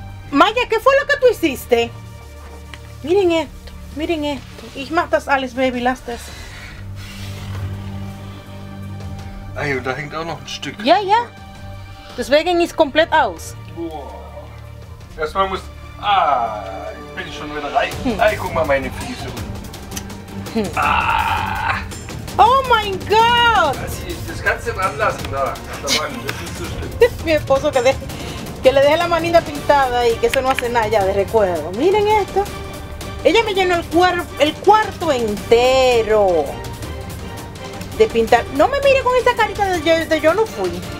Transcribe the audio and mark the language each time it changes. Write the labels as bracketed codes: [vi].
[es] Maya, ¿qué fue lo que tú hiciste? Miren esto. Miren esto. [de] Ich mach das alles, baby, lass das. Ay, und da hängt auch noch ein Stück. Ja, ja. Deswegen ist komplett aus. Boah. Erstmal muss. Ich bin schon wieder reich. Ey, guck mal meine Füße. Oh mein Gott! Das kannst du dran lassen, da. Das ist so schlimm. [es] Mi esposo que le deje la manita pintada y que eso no hace nada ya de recuerdo. Miren esto. Ella me llenó el cuarto entero de pintar. No me mire con esa carita de yo no fui.